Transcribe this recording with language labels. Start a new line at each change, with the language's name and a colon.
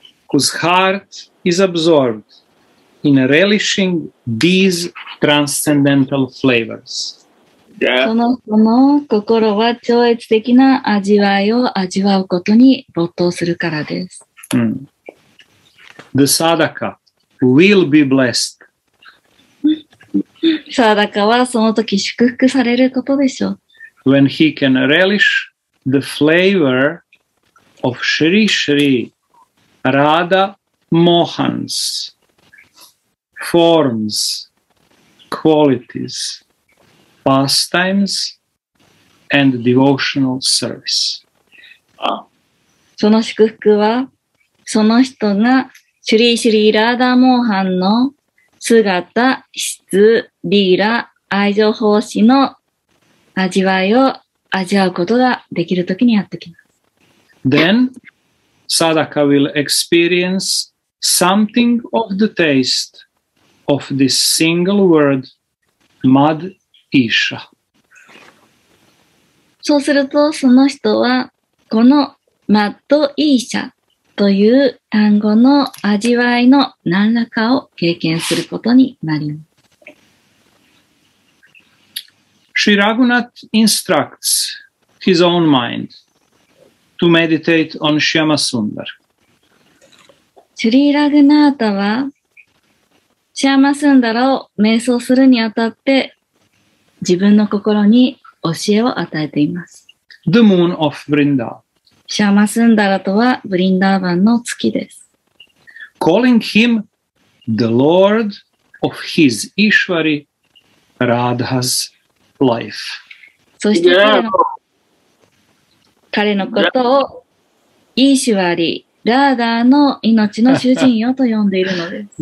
English: Whose heart is absorbed in relishing these transcendental flavors.
Japanese: その心は超越的な味わいを味わうことに没頭するからです。
English: The sadaka will be blessed.
Japanese: Sadaka はその時祝福されることでしょう。
English: When he can relish the flavor of Shri Shri. Radha Mohan's forms, qualities, pastimes, and devotional service.
Japanese: その祝福は、その人が、シュリシュリラーダモーハンの姿、質、リーラ、愛情奉仕の味わいを味わうことができるときにやってきます。
English: Then,Sadaka will experience something of the taste of this single word, Mad Isha.
Japanese: そうすると、その人は、この Mad Isha という単語の味わいの何らかを経験することになります。
English: Shri Raghunath instructs his own mind. To meditate on Shyamasundar.
Japanese: シュリー・ラグナータはシャマスンダラを瞑想するにあたって自分の心に教えを与えています。
English: the moon of Vrinda.
Japanese: シャマスンダラとはブリンダーバンの月です。
English: Calling him the Lord of his Ishvari Radha's life.
Japanese: そして彼のことをイシュワリ、ラーダーの命の主人よと呼んでいるのです。